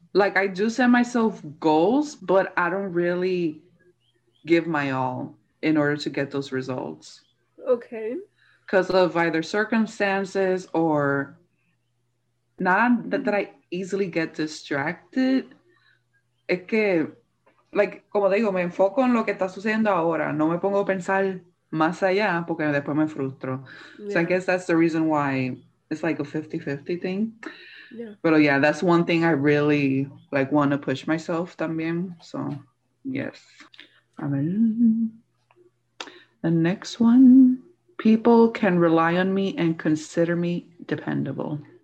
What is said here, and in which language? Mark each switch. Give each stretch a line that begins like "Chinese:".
English: Like, I do set myself goals, but I don't really give my all in order to get those results. Okay. Because of either circumstances or not that I easily get distracted.
Spanish: Es que, like, como digo, me enfoco en lo que está sucediendo ahora. No me pongo a pensar más allá porque después me frustro.
English: Yeah. So I guess that's the reason why it's like a 50-50 thing. Yeah. But yeah, that's one thing I really, like, want to push myself también. So, yes.
Spanish: A ver.
English: The next one. People can rely on me and consider me dependable.